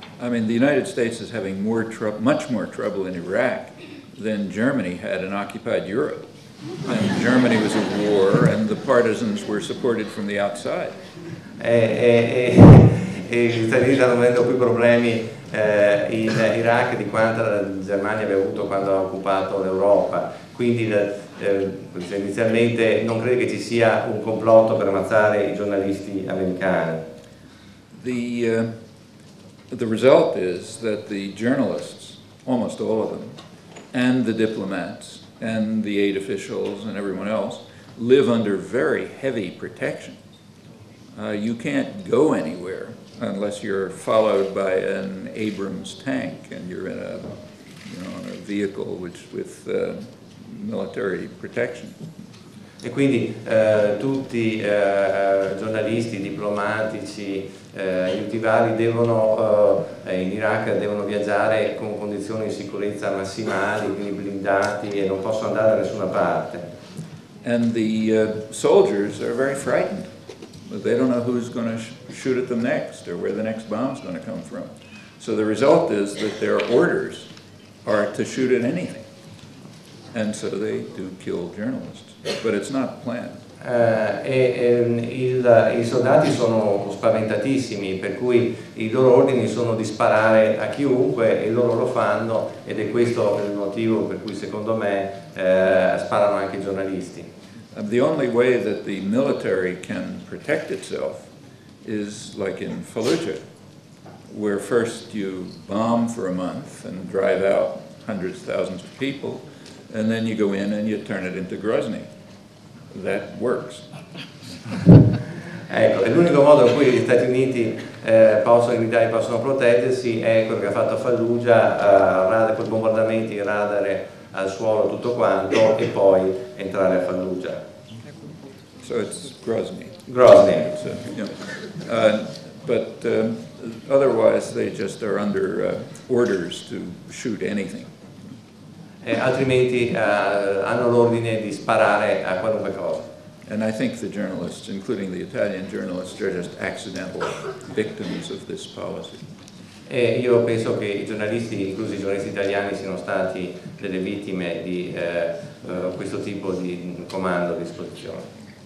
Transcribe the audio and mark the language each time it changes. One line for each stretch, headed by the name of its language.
English: I mean, the United States is having much more trouble in Iraq than Germany had in occupied Europe. And Germany was at war and the partisans were supported from the outside.
Italian: E gli Stati Uniti stanno avendo più problemi in Iraq di quanto la Germania abbia avuto quando ha occupato l'Europa. Quindi inizialmente non crede che ci sia un complotto per ammazzare i giornalisti americani.
English: The result is that the journalists, almost all of them, and the diplomats and the aid officials and everyone else live under very heavy protection. You can't go anywhere unless you're followed by an Abrams tank and you're in a, you know, on a vehicle which with military protection.
Italian: E quindi tutti giornalisti, diplomatici, gli utenti vari devono in Iraq devono viaggiare con condizioni di sicurezza massimali, quindi blindati, e non possono andare da nessuna parte.
English: And the soldiers are very frightened. They don't know who's going to shoot at them next or where the next bomb's going to come from. So the result is that their orders are to shoot at anything. And so they do kill journalists, but it's not planned.
Italian: I soldati sono spaventatissimi, per cui i loro ordini sono di sparare a chiunque e loro lo fanno, ed è questo il motivo per cui secondo me sparano anche i giornalisti.
English: The only way that the military can protect itself is like in Fallujah, where first you bomb for a month and drive out hundreds of thousands of people, and then you go in and you turn it into Grozny. That works.
Italian: Ecco, è l'unico modo in cui gli Stati Uniti possono evitare, possono proteggersi, è quello che ha fatto Fallujah, con i bombardamenti, radare al suolo tutto quanto e poi entrare a Fallujah.
English: So it's Grozny. Grozny. It's otherwise they just are under orders to shoot anything.
Italian: Altrimenti hanno l'ordine di sparare a qualunque cosa.
English: And I think the journalists, including the Italian journalists, are just accidental victims of this policy.
Italian: E io penso che i giornalisti, inclusi i giornalisti italiani, siano stati delle vittime di questo tipo di comando, disposizione.